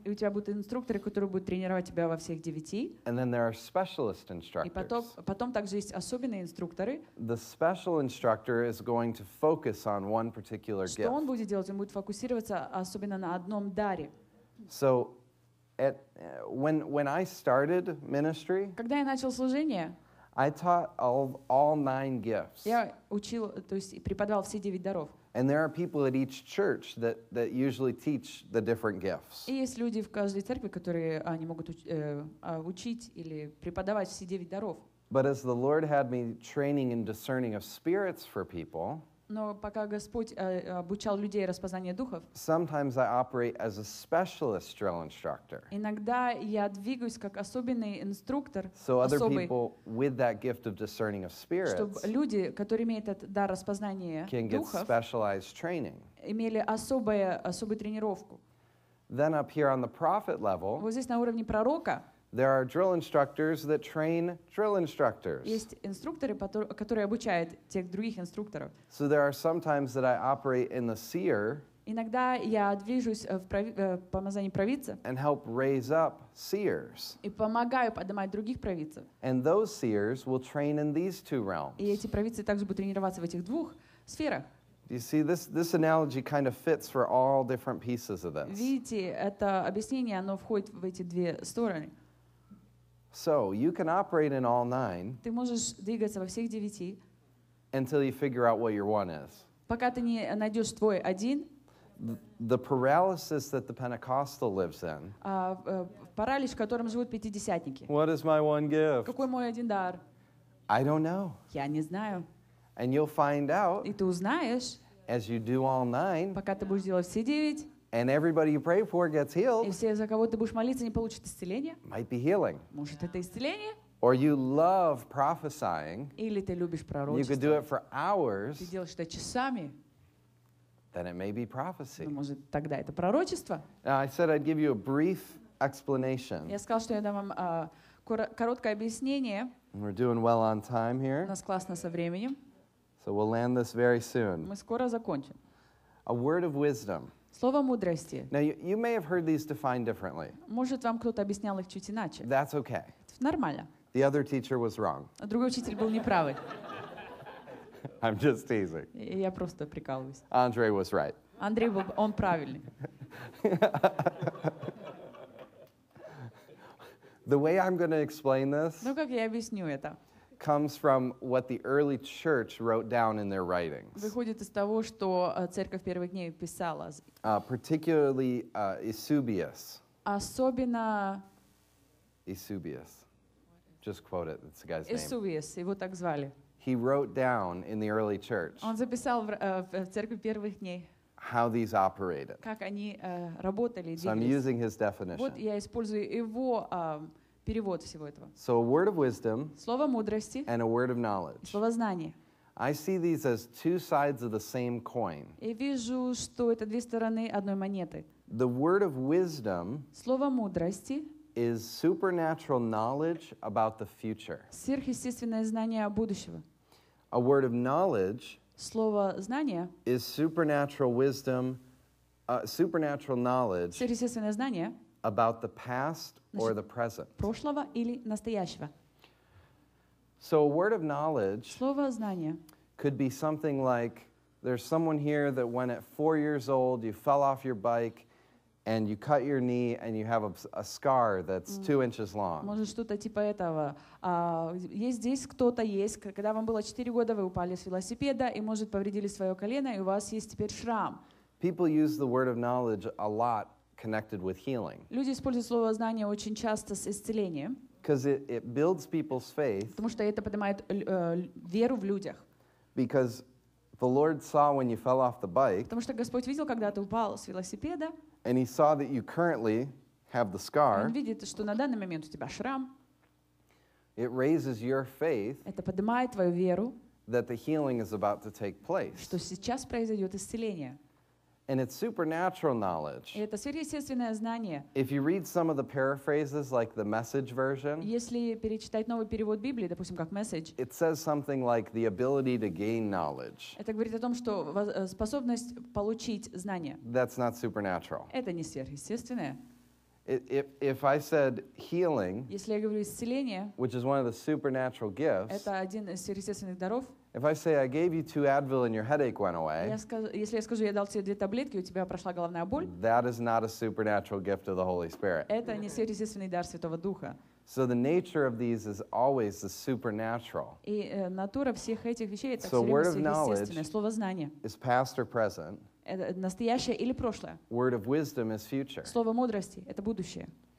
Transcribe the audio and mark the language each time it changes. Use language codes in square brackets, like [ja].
[ru] И у тебя будут инструкторы, которые будут тренировать тебя во всех девяти. [en] And then there are specialist instructors. [ru] И потом также есть особенные инструкторы. [en] The special instructor is going to focus on one particular gift. [ru] Что он будет делать? Он будет фокусироваться особенно на одном даре. [en] So when I started ministry, [ru] когда я начал служение, [en] I taught all nine gifts. [ru] Я учил, то есть преподавал все девять даров. [en] And there are people at each church that usually teach the different gifts. [ru] И есть люди в каждой церкви, которые они могут учить или преподавать все девять даров. [en] But as the Lord had me training and discerning of spirits for people, [ru] но пока Господь обучал людей распознанию духов, [en] sometimes I operate as a specialist drill instructor. [ru] Иногда я двигаюсь как особенный инструктор, [en] so other people with that gift of discerning of spirits, [ru] чтобы люди, которые имеют этот дар распознания духов, [en] can get specialized training. [ru] Имели особую тренировку. [en] Then up here on the prophet level, [ru] вот здесь на уровне пророка, [en] there are drill instructors that train drill instructors. [ru] Есть инструкторы, которые обучают тех других инструкторов. [en] So there are sometimes that I operate in the seer. [ru] Иногда я движусь в помазании провидца. [en] And help raise up seers. [ru] И помогаю поднимать других провидцев. [en] And those seers will train in these two realms. [ru] И эти провидцы также будут тренироваться в этих двух сферах. [en] You see, this analogy kind of fits for all different pieces of this. [ru] Видите, это объяснение, оно входит в эти две стороны. [en] So you can operate in all nine. [ru] Ты можешь двигаться во всех девяти. [en] Until you figure out what your one is. [ru] Пока ты не найдешь твой один. [en] The paralysis that the Pentecostal lives in. [ru] Паралич, в котором живут пятидесятники. [en] What is my one gift? [ru] Какой мой один дар? [en] I don't know. [ru] Я не знаю. [en] And you'll find out. [ru] И ты узнаешь. [en] As you do all nine. [ru] Пока ты будешь делать все девять. [en] And everybody you pray for gets healed. [ru] И все, за кого ты будешь молиться, не получат исцеление. [en] Might be healing. [ru] Может, это исцеление. [en] Or you love prophesying. [ru] Или ты любишь пророчество. [en] You could do it for hours. [ru] Ты делаешь это часами. [en] Then it may be prophecy. [ru] Ну, может, тогда это пророчество. [en] Now, I said I'd give you a brief explanation. [ru] Я сказал, что я дам вам короткое объяснение. [en] We're doing well on time here. [ru] У нас классно со временем. [en] So we'll land this very soon. [ru] Мы скоро закончим. [en] A word of wisdom. [ru] Слово мудрости. [en] Now you may have heard these defined differently. [ru] Может, вам кто-то объяснял их чуть иначе. [en] That's okay. [ru] Нормально. [en] The other teacher was wrong. [ru] Другой учитель был неправый. [en] I'm just teasing. [ru] Я просто прикалываюсь. [en] Andre was right. [ru] Андрей был, он правильный. [en] The way I'm going to explain this. [ru] Ну как я объясню это? [en] Comes from what the early church wrote down in their writings. [ru] Выходит из того, что церковь первых дней писала. [en] Particularly Eusebius. [ru] Особенно. [en] Eusebius. Just quote it. That's the guy's Eusebius, name. [ru] Eusebius, его так звали. [en] He wrote down in the early church. [ru] Он записал в церкви первых дней. [en] How these operated. [ru] Как они работали. [en] So I'm using his definition. [ru] Вот я использую его. Перевод всего этого. [en] So a word of wisdom, [ru] слово мудрости, [en] and a word of knowledge. [ru] Слово знания. [en] I see these as two sides of the same coin. [ru] И вижу, что это две стороны одной монеты. [en] The word of wisdom, [ru] слово мудрости, [en] is supernatural knowledge about the future. [ru] Сверхъестественное знание о будущем. [en] A word of knowledge, [ru] слово знания, [en] is supernatural wisdom, supernatural knowledge. [ru] Сверхъестественное знание. [en] About the past or the present. [ru] Прошлого или настоящего. [en] So a word of knowledge. [ru] Слово знания. [en] Could be something like, there's someone here that when at 4 years old you fell off your bike, and you cut your knee and you have a scar that's 2 inches long. [ru] Может что-то типа этого. Есть здесь кто-то есть, когда вам было 4 года, вы упали с велосипеда и может повредили свое колено и у вас есть теперь шрам. [en] People use the word of knowledge a lot. Connected with healing. [ru] Люди используют слово знание очень часто с исцелением. [en] Because it builds people's faith. [ru] Потому что это поднимает веру в людях. [en] Because the Lord saw when you fell off the bike. [ru] Потому что Господь видел, когда ты упал с велосипеда. [en] And he saw that you currently have the scar. [ru] Он видит, что на данный момент у тебя шрам. [en] It raises your faith. [ru] Это поднимает твою веру. [en] That the healing is about to take place. [ru] Что сейчас произойдет исцеление. [en] And it's supernatural knowledge. [ru] Это сверхъестественное знание. [en] If you read some of the paraphrases, like the Message version, [ru] если перечитать новый перевод Библии, допустим, как Message, [en] it says something like the ability to gain knowledge. [ru] Это говорит о том, что способность получить знания. [en] That's not supernatural. [ru] Это не сверхъестественное. [en] If I said healing, [ru] если я говорю исцеление, [en] which is one of the supernatural gifts, [ru] это один из сверхъестественных даров. [en] If I say I gave you 2 Advil and your headache went away, [ru] если я скажу, я дал тебе 2 таблетки, у тебя прошла головная боль, [en] that is not a supernatural gift of the Holy Spirit. [ru] Это не сверхъестественный дар Святого Духа. [en] So the nature of these is always the supernatural. [ru] И натура всех этих вещей это сверхъестественное. Слово знания. [en] Is past or present? [ru] Это настоящее или прошлое? [en] Word of wisdom is future. [ru] Слово мудрости это будущее.